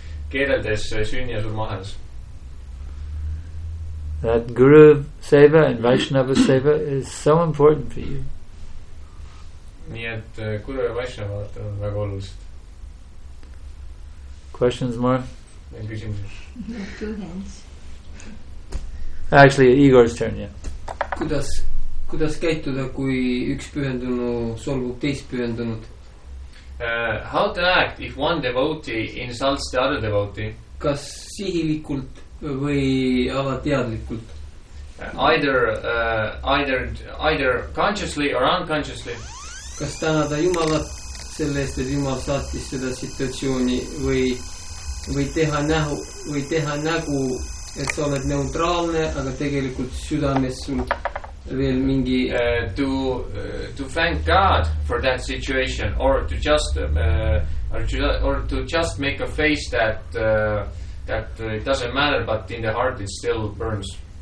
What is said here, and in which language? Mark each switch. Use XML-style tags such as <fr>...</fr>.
<et>Keereldes sünni ja surmahes.</et> <en>That Guru Seva and Vaishnava Seva is so important for you.</en> <et>Nii et Guru ja Vaishnava on väga olulised.</et> <en>Questions more? Two hands. Actually, Igor's turn, yeah.</en> <et>Kuidas käituda, kui üks pühendunu solvub teist pühendunud?</et> <en>How to act if one devotee insults the other devotee?</en> <et>Kas sihilikult või alateadlikult?</et> <en>Either consciously or unconsciously.</en> <et>Kas tänada Jumalat sellest, et Jumal saatis seda situatsiooni või teha nägu et sa oled neutraalne, aga tegelikult südames sul veel mingi</et> <en>to thank God for that situation or to just or to just make a face that that it doesn't matter, but in the heart it still burns.</en>